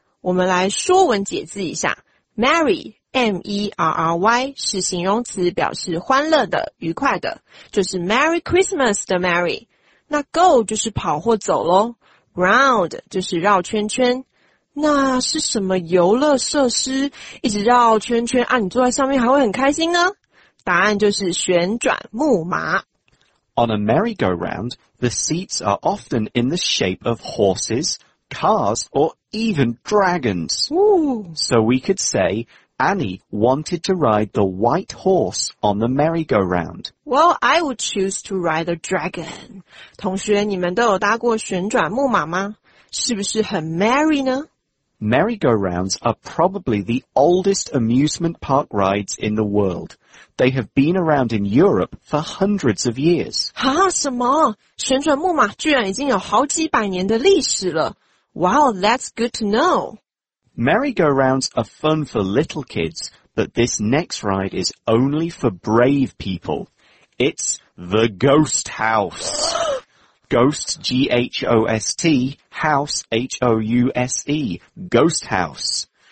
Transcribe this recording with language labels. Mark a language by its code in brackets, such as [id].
[zh] 我们来说文解字一下。Merry, M-E-R-R-Y, 是形容词，表示欢乐的、愉快的，就是 Merry Christmas 的 Merry。那 Go 就是跑或走咯。Round 就是绕圈圈。那是什么游乐设施？一直绕圈圈啊，你坐在上面还会很开心呢？答案就是旋转木马。 [en] On a merry-go-round, the seats are often in the shape of horses,cars or even dragons. Ooh. So we could say Annie wanted to ride the white horse on the merry-go-round. Well, I would choose to ride a dragon. [zh] 同学，你们都有搭过旋转木马吗？是不是很 merry 呢？ [en] Merry-go-rounds are probably the oldest amusement park rides in the world. They have been around in Europe for hundreds of years. [zh] 哈，什么？旋转木马居然已经有好几百年的历史了。 [en] Wow, that's good to know. Merry-go-rounds are fun for little kids, but this next ride is only for brave people. It's the Ghost House. Ghost, G-H-O-S-T, House, H-O-U-S-E, Ghost House.